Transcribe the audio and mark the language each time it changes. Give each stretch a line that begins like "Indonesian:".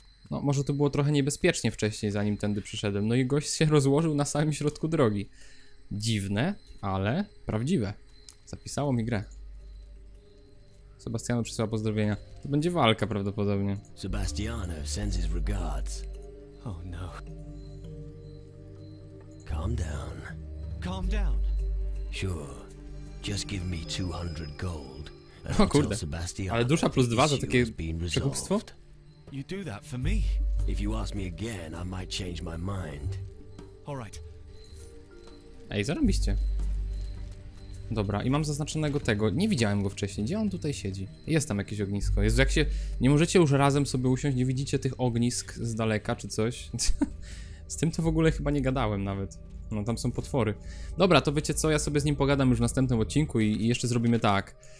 Polish: No, może to było trochę niebezpiecznie wcześniej, zanim tędy przyszedłem. No i gość się rozłożył na samym środku drogi. Dziwne, ale prawdziwe. Zapisało mi grę. Sebastiano przysyła pozdrowienia. To będzie walka prawdopodobnie.
English: Sebastiano sends his regards. Oh no. Calm down. Calm down. Sure. Just give me 200 gold.
Polish: O kurde. Sebastiano, ale dusza plus 2 za takie przekupstwo?
English: You do that for me. If you ask me again, I might change my mind. All right.
Polish: Ej, zarąbiście. Dobra, i mam zaznaczonego tego. Nie widziałem go wcześniej. Gdzie on tutaj siedzi? Jest tam jakieś ognisko. Jest, jak się... Nie możecie już razem sobie usiąść, nie widzicie tych ognisk z daleka czy coś? Z tym to w ogóle chyba nie gadałem nawet. No, tam są potwory. Dobra, to wiecie co? Ja sobie z nim pogadam już w następnym odcinku i jeszcze zrobimy tak.